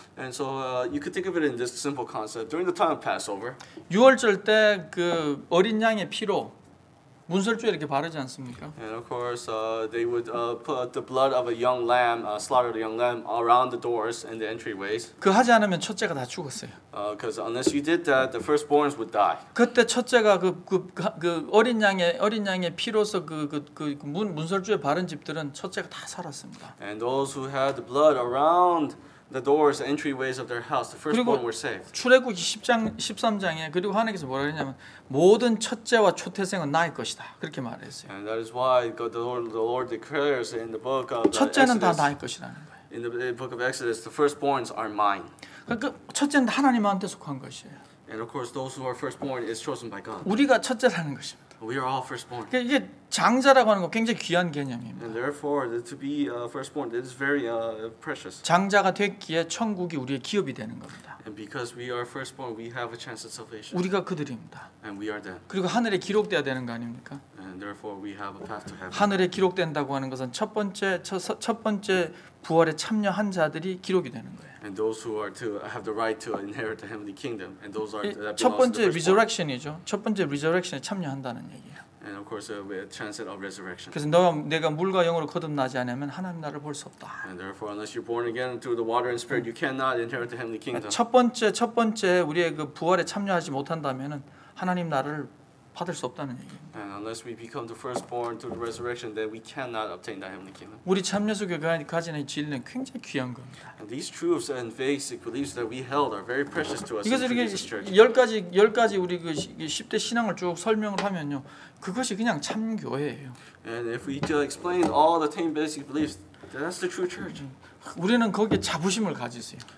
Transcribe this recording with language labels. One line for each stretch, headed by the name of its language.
English: And so you could think of it in this simple concept during the time of Passover.
Korean: 유월절 때 그 어린 양의 피로. 문설주에 이렇게 바르지 않습니까?
English: And of course, they would put the blood of a young lamb, slaughtered young lamb, around the doors and the entryways.
Korean: 그 하지 않으면 첫째가 다 죽었어요.
English: Because unless you did that, the firstborns would die.
Korean: 그때 첫째가 그 어린 양의 피로서 그 문설주에 바른 집들은 첫째가 다 살았습니다.
English: And those who had the blood around the doors, the entryways of their house, the firstborn were saved.
Korean: 출애굽기 10장 13장에 그리고 하나님께서 뭐라 했냐면 모든 첫째와 초태생은 나의 것이다. 그렇게 말했어요.
English: And that is why the Lord declares in the book of
Korean: 첫째는
English: Exodus,
Korean: 다 나의 것이라는 거예요.
English: In the book of Exodus, the firstborns are mine.
Korean: 그러니까 첫째는 하나님한테 속한 것이에요.
English: And of course, those who are firstborn is chosen by God.
Korean: 우리가 첫째라는 것입니다.
English: We are all firstborn.
Korean: 이게 장자라고 하는 거 굉장히 귀한 개념입니다.
English: And therefore, to be a firstborn, it is very precious.
Korean: 장자가 됐기에 천국이 우리의 기업이 되는 겁니다.
English: And because we are firstborn, we have a chance at salvation.
Korean: 우리가 그들입니다.
English: And we are them.
Korean: 그리고 하늘에 기록되어야 되는 거 아닙니까?
English: And therefore, we have a path to heaven.
Korean: 하늘에 기록된다고 하는 것은 첫 번째 부활에 참여한 자들이 기록이 되는 거예요.
English: And those who are to have the right to inherit the heavenly kingdom, and those are that belongs to the
Korean: first. 첫 번째 resurrection이죠. 첫 번째 resurrection에 참여한다는 얘기예요.
English: And of course, with a chance of resurrection.
Korean: 그래서 내가 물과 영으로 거듭나지 않으면 하나님 나를 볼 수 없다.
English: And therefore, unless you're born again through the water and spirit, you cannot inherit the heavenly kingdom.
Korean: 첫 번째 우리의 그 부활에 참여하지 못한다면은 하나님 나를 받을 수 없다는 얘기입니다.
English: And unless we become the firstborn through the resurrection, then we cannot obtain the heavenly kingdom.
Korean: 우리 참여수 가진의 진리는 굉장히 귀한 겁니다.
English: And these truths and basic beliefs that we held are very precious to us.
Korean: 이것을 이렇게 열 가지 우리 그 10대 신앙을 쭉 설명을 하면요, 그것이 그냥 참 교회예요.
English: And if we just explain all the 10 basic beliefs, that's the true church.
Korean: 우리는 거기에 자부심을 가지세요.